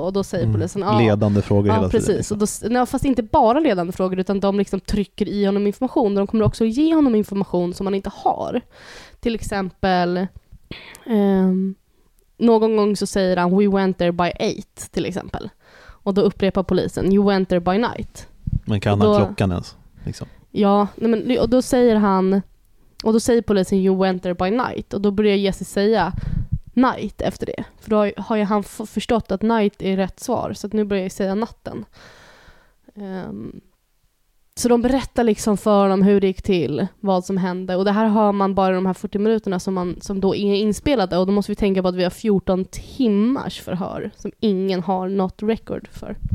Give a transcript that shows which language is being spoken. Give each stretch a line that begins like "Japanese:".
Swedish: Och då säger polisen, ledande frågor hela tiden. Ja, precis. Och då, nej, fast inte bara ledande frågor, utan de liksom trycker i honom information. De kommer också ge honom information som han inte har. Till exempel, någon gång så säger han,
English: we went there by 8,
Swedish: till exempel. Och då upprepar polisen,
English: you went there by night.
Swedish: Men kan han klockan ens? Liksom. Ja, nej, men, och då säger han, och då säger polisen,
English: you went there by night,
Swedish: och då börjar Jesse säga night efter det, för då har ju han förstått att night är rätt svar, så att nu börjar jag säga natten. Så de berättar liksom för honom hur det gick till, vad som hände, och det här hör man bara de här 40 minuterna som då är inspelade, och då måste vi tänka på att vi har 14 timmars förhör som ingen har något record för.